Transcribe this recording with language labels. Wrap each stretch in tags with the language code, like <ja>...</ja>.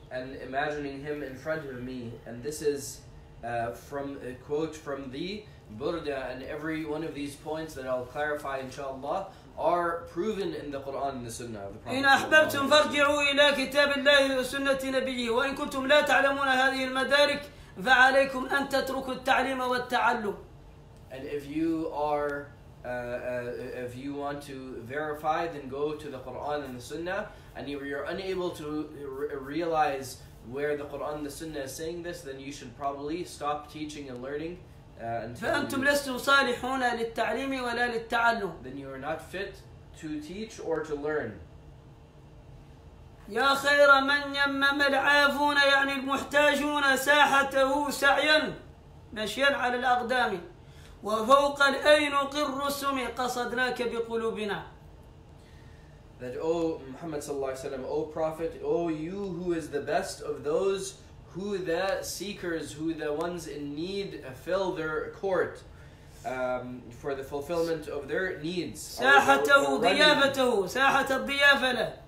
<en>And imagining him in front of me, and this is from a quote from the Burda, and every one of these points that I'll clarify inshallah are proven in the Quran and the Sunnah of the Prophet.</en> <ar>إن أحببتم فارجعوا إلى كتاب الله وسنة نبيه وإن كنتم لا تعلمون هذه المدارك فعليكم أن تتركوا التعليم والتعلم.</ar> <en>And if you are if you want to verify, then go to the Quran and the Sunnah, and if you're unable to realize where the Quran, the Sunnah is saying this, then you should probably stop teaching and learning.</en> <ar>فأنتم لستم صالحون للتعليم ولا للتعلم.</ar> <en>Then you are not fit to teach or to learn.</en> <ar>يا خير من يمم العافون يعني المحتاجون ساحته سعيا مشيا على الأقدام وفوق الأينق الرسم قصدناك بقلوبنا.</ar> <en>That O Muhammad sallallahu alaihi wasallam, O Prophet, O you who is the best of those who the seekers, who the ones in need fill their court for the fulfillment of their needs.</en> <ar>ساحته ضيافته ساحة الضيافة له.</ar>